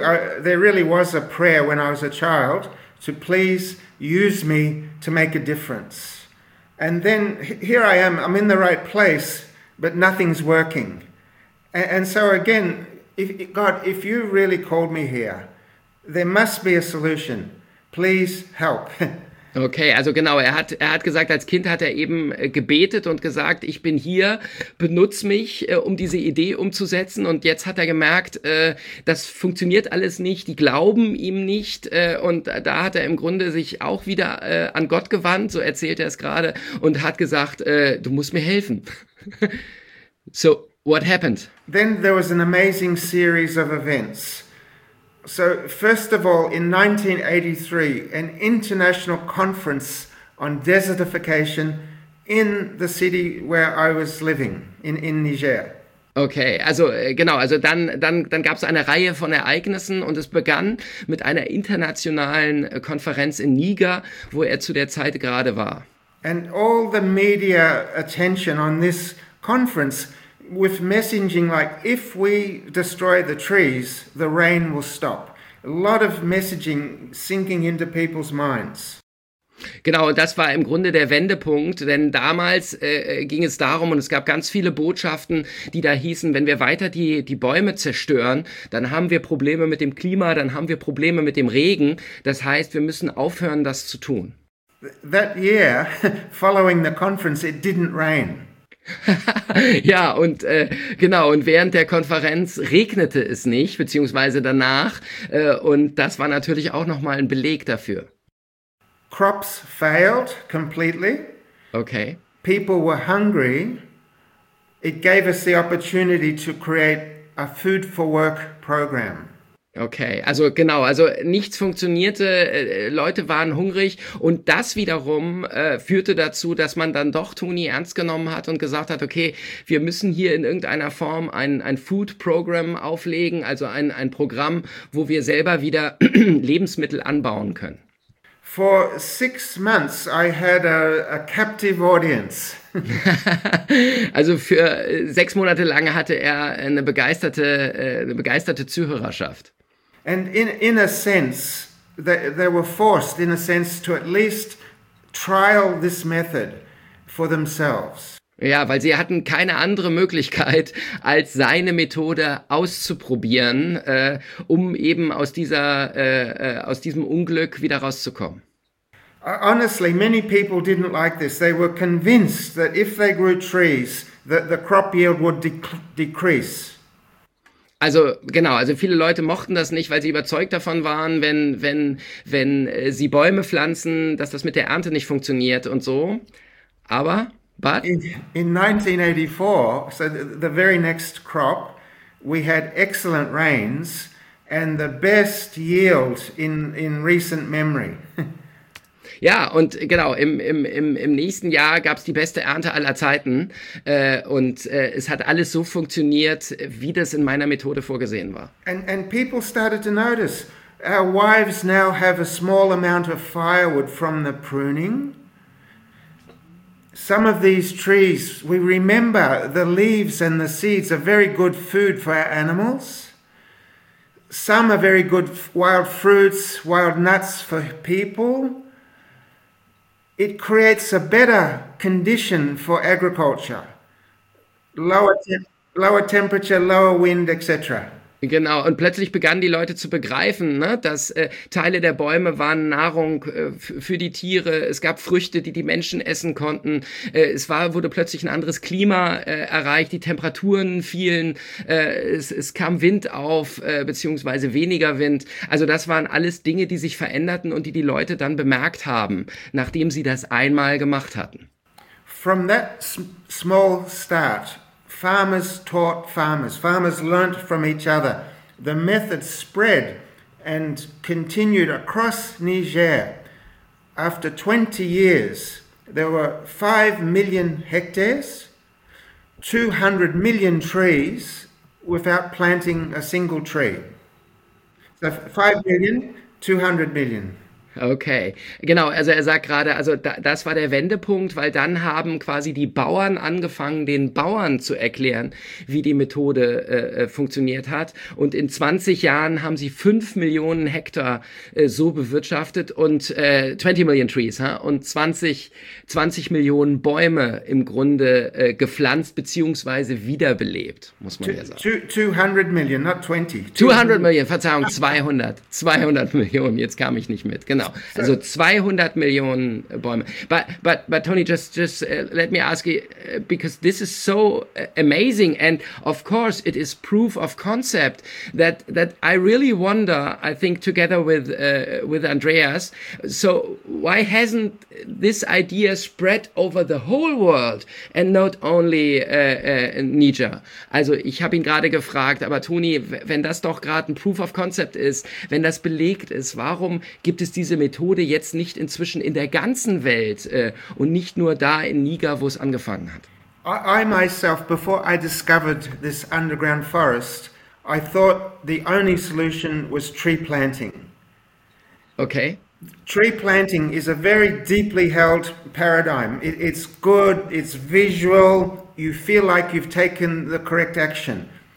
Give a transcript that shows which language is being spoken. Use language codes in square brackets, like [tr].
[en] There really was a prayer when I was a child to please use me to make a difference. And then here I am, I'm in the right place, but nothing's working. And so again, if you really called me here, there must be a solution. Please help. [de] Okay, also genau, er hat gesagt, als Kind hat er eben gebetet und gesagt, ich bin hier, benutz mich, um diese Idee umzusetzen. Und jetzt hat er gemerkt, das funktioniert alles nicht, die glauben ihm nicht. Und da hat er im Grunde sich auch wieder an Gott gewandt, so erzählt er es gerade, und hat gesagt, du musst mir helfen. [en] So, what happened? Then there was an amazing series of events. So first of all, in 1983, an international conference on desertification in the city where I was living, in Niger. [de] Okay, also genau, also dann gab es eine Reihe von Ereignissen und es begann mit einer internationalen Konferenz in Niger, wo er zu der Zeit gerade war. [en] And all the media attention on this conference with messaging like, if we destroy the trees, the rain will stop. A lot of messaging sinking into people's minds. [de] Genau, das war im Grunde der Wendepunkt, denn damals ging es darum und es gab ganz viele Botschaften, die da hießen, wenn wir weiter die Bäume zerstören, dann haben wir Probleme mit dem Klima, dann haben wir Probleme mit dem Regen. Das heißt, wir müssen aufhören, das zu tun. [en] That year, following the conference, it didn't rain. [de] Ja, und genau, und während der Konferenz regnete es nicht, beziehungsweise danach, und das war natürlich auch nochmal ein Beleg dafür. [en] Crops failed completely. Okay. People were hungry. It gave us the opportunity to create a food for work program. [de] Okay, also genau, also nichts funktionierte, Leute waren hungrig und das wiederum führte dazu, dass man dann doch Tony ernst genommen hat und gesagt hat, okay, wir müssen hier in irgendeiner Form ein Food Program auflegen, also ein Programm, wo wir selber wieder Lebensmittel anbauen können. [en] For 6 months I had a captive audience. [de] Also für 6 Monate lang hatte er eine begeisterte Zuhörerschaft. [en] And in a sense, they were forced, in a sense, to at least trial this method for themselves. [de] Ja, weil sie hatten keine andere Möglichkeit, als seine Methode auszuprobieren, um eben aus diesem Unglück wieder rauszukommen. [en] Honestly, many people didn't like this. They were convinced that if they grew trees, that the crop yield would decrease. [de] Also genau, also viele Leute mochten das nicht, weil sie überzeugt davon waren, wenn sie Bäume pflanzen, dass das mit der Ernte nicht funktioniert und so. Aber, but? [en] In 1984, so the very next crop, we had excellent rains and the best yield in recent memory. [de] Ja, und genau, im nächsten Jahr gab es die beste Ernte aller Zeiten und es hat alles so funktioniert, wie das in meiner Methode vorgesehen war. [en] And people started to notice, our wives now have a small amount of firewood from the pruning. Some of these trees, we remember the leaves and the seeds are very good food for our animals. Some are very good wild fruits, wild nuts for people. It creates a better condition for agriculture. lower temperature, lower wind, etc. [de] Genau, und plötzlich begannen die Leute zu begreifen, ne, dass Teile der Bäume waren Nahrung für die Tiere, es gab Früchte, die die Menschen essen konnten, wurde plötzlich ein anderes Klima erreicht, die Temperaturen fielen, es kam Wind auf, beziehungsweise weniger Wind. Also das waren alles Dinge, die sich veränderten und die Leute dann bemerkt haben, nachdem sie das einmal gemacht hatten. [en] From that small start, farmers taught farmers. Farmers learnt from each other. The method spread and continued across Niger. After 20 years, there were 5 million hectares, 200 million trees without planting a single tree. So 5 million, 200 million. [de] Okay, genau, also er sagt gerade, also das war der Wendepunkt, weil dann haben quasi die Bauern angefangen, den Bauern zu erklären, wie die Methode funktioniert hat. Und in 20 Jahren haben sie 5 Millionen Hektar so bewirtschaftet und 20 Millionen Trees, ha? Und 20 Millionen Bäume im Grunde gepflanzt beziehungsweise wiederbelebt, muss man ja sagen. [en] 200 Millionen, not 20. [de] 200 Millionen, Verzeihung, 200. 200 Millionen, jetzt kam ich nicht mit, genau. Genau. Also 200 Million Bäume. [en] But Tony, just let me ask you, because this is so amazing, and of course it is proof of concept that I really wonder. I think together with Andreas. So why hasn't this idea spread over the whole world and not only Niger? [de] Also ich habe ihn gerade gefragt, aber Tony, wenn das doch gerade ein Proof of Concept ist, wenn das belegt ist, warum gibt es diese Methode jetzt nicht inzwischen in der ganzen Welt und nicht nur da in Niger, wo es angefangen hat? [en] I myself, before I discovered this underground forest, I thought the only solution was tree planting. Okay. Tree planting is a very deeply held paradigm. It's good, it's visual, you feel like you've taken the correct action.